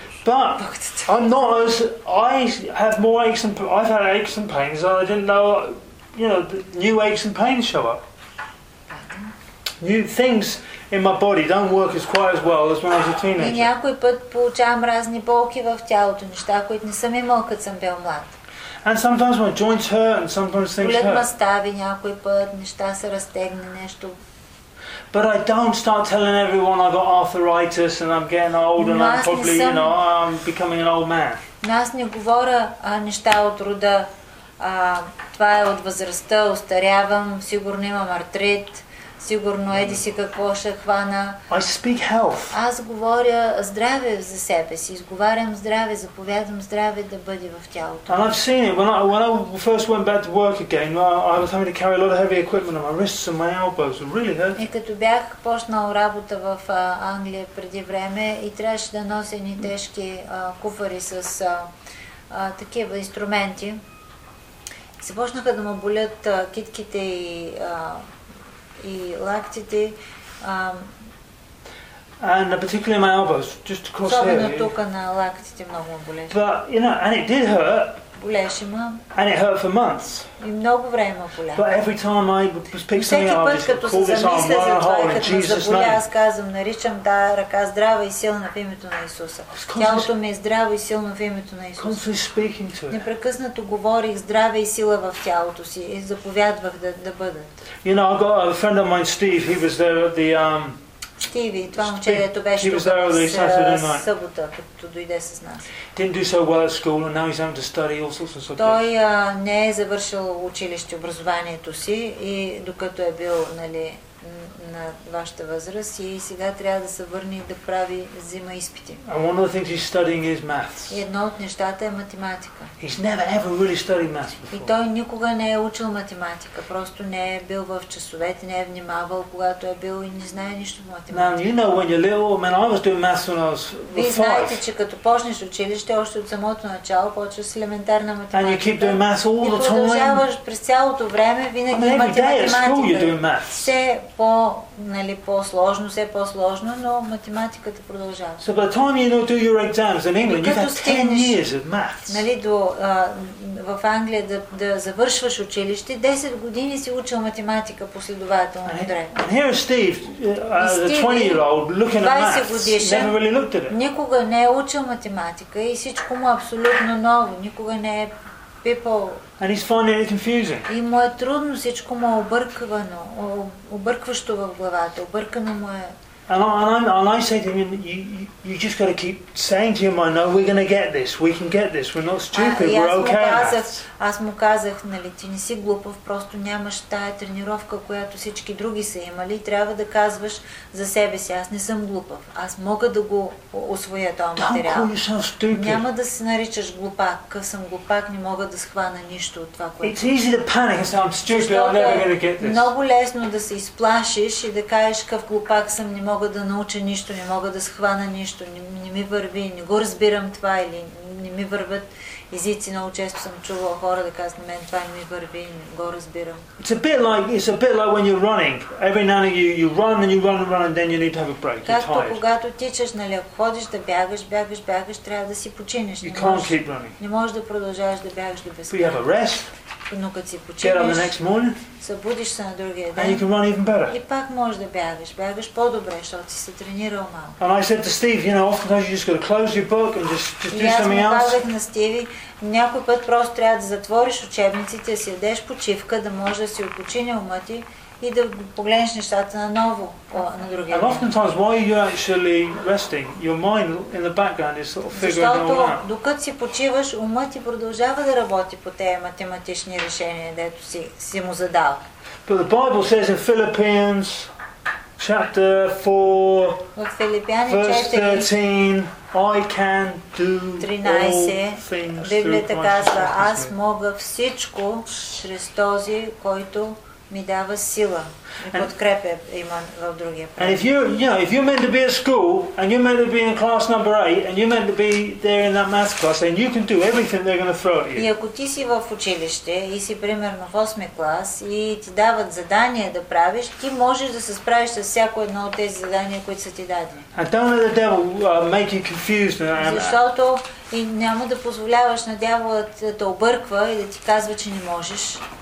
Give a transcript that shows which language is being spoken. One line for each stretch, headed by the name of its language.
English: But I'm not as I have more aches and I've had aches and pains and I didn't know, you know, new aches and pains show up. New things in my body don't work as quite as well as when I was a teenager.
Bulgarian: И някой път получавам разни болки в тялото, неща, които не съм имал, като съм бил млад.
English: And sometimes my joints hurt and sometimes things hurt.
Bulgarian: Болят ме стави някой път, неща се разтегне нещо.
English: But I don't start telling everyone I've got arthritis and I'm getting old and I'm probably, you know, I'm becoming an old man.
Bulgarian: Аз не говоря неща от рода, това е от възрастта, остарявам, сигурно имам артрит, сигурно еди си какво ще хвана.
English: I speak health.
Bulgarian: Аз говоря здраве за себе си, изговарям здраве, заповядам здраве да бъде в тялото.
English: And I've seen it. When I first went back to work again, I was having to carry a lot of heavy equipment on my wrists and my elbows. It really hurt.
Bulgarian: И като бях почнал работа в Англия преди време и трябваше да нося ни тежки куфари с такива инструменти, започнаха да ме болят китките и и лактите.
English: And particularly my elbows, just across here.
Bulgarian: Особено тук на лактите много ме болеше.
English: But, you know, and it did hurt.
Bulgarian: Болеше ме.
English: And it hurt for months.
Bulgarian: И много време ме боля.
English: But every time I pick something up, I just call this arm, run a hole in Jesus' name.
Bulgarian: Аз казвам, наричам да ръка здрава и силна в името на Исуса. Тялото ми е здраво и силно в името на Исуса.
English: Constantly speaking to it.
Bulgarian: Непрекъснато говорих здраве и сила в тялото си и заповядвах да, да бъдат.
English: You know, I got a friend of mine, Steve, he was there at the...
Bulgarian: Стиви, това момче, дето беше събота, като дойде с нас.
English: Didn't do so well at school and now he's having to study all sorts of subjects.
Bulgarian: Той не е завършил училище, образованието си и докато е бил, нали, на вашата възраст и сега трябва да се върне да прави, взима изпити.
English: And one of the things he's studying is maths.
Bulgarian: И едно от нещата е математика.
English: He's never ever really studied maths before.
Bulgarian: И той никога не е учил математика, просто не е бил в часовете, не е внимавал, когато е бил и не знае нищо в математика.
English: Now, you know, when you're little, man, I was doing maths when I was five.
Bulgarian: Вие знаете, че като почнеш училище, още от самото начало почваш с елементарна математика.
English: And you keep doing maths all the time.
Bulgarian: И продължаваш през цялото време, винаги математика. По, нали, по-сложно, все по-сложно, но математиката продължава.
English: So by the time you do your exams in England, you've had 10 years of maths.
Bulgarian: Нали, до, в Англия да, да завършваш училище, 10 години си учил математика последователно.
English: And here is Steve, the 20-year-old, looking at maths.
Bulgarian: Годишен,
English: never really looked at it.
Bulgarian: Никога не е учил математика и всичко му е абсолютно ново. Никога не е пипал.
English: And he's finding it confusing.
Bulgarian: И му е трудно, всичко му е объркано, объркващо в главата, объркано му е.
English: And I say to him, you just got to keep saying to your mind, no, we're going to get this, we can get this, we're not stupid, we're okay.
Bulgarian: Аз му казах, нали, ти не си глупав, просто нямаш тая тренировка, която всички други са имали, трябва да казваш за себе си, аз не съм глупав, аз мога да го освоя този материал.
English: Don't call yourself stupid.
Bulgarian: Няма да се наричаш глупак, къв съм глупак, не мога да схвана нищо от това, което...
English: It's easy to panic and say, I'm stupid, I'm never going to get this.
Bulgarian: Много лесно да се изплашиш и да кажеш, къв глупак съм, не мога. мога да науча нищо, не мога да схвана нищо, не ми върви, не го разбирам това или не ми върват езици. Много често съм чувала хора да казват на мен, това не ми върви, не го разбирам.
English: It's a bit like when you're running. Every now and then you run and you run and run and then you need to have a break. You're tired.
Bulgarian: Както когато тичаш, нали, ходиш да бягаш, бягаш, бягаш, трябва да си починеш.
English: You can't keep running.
Bulgarian: Не можеш да продължаваш да бягаш до безкрай.
English: You have a rest.
Bulgarian: Но като си починеш, събудиш се на другия ден,
English: and you can run even better.
Bulgarian: И пак можеш да бягаш, бягаш по-добре, защото си се тренирал малко.
English: And I said to Steve, you know, oftentimes you just got to close your book and just do something else.
Bulgarian: И аз му казах на Стиви, някой път просто трябва да затвориш учебниците, да си дадеш почивка, да може да си отпочине ума ти и да погледнеш нещата наново на другия ден.
English: And oftentimes while you're actually resting, your mind in the background is sort of figuring all out.
Bulgarian: Защото докато си почиваш, умът ти продължава да работи по тези математични решения, дето си му задал.
English: But the Bible says in Philippians chapter 4, verse 13, I can do all things through Christ.
Bulgarian: Казва, аз мога всичко чрез този, който ми дава сила и подкрепя има в другия правил.
English: And if you, you know, if you're meant to be at school and you're meant to be in class number 8 and you're meant to be there in that math class, then you can do everything they're going to throw at you.
Bulgarian: И ако ти си в училище и си примерно в 8 клас и ти дават задание да правиш, ти можеш да се справиш с всяко едно от тези задания, които са ти дадени.
English: And don't let the devil make you confused.
Bulgarian: Защото и няма да позволяваш на дявола да те обърква и да ти казва, че не можеш.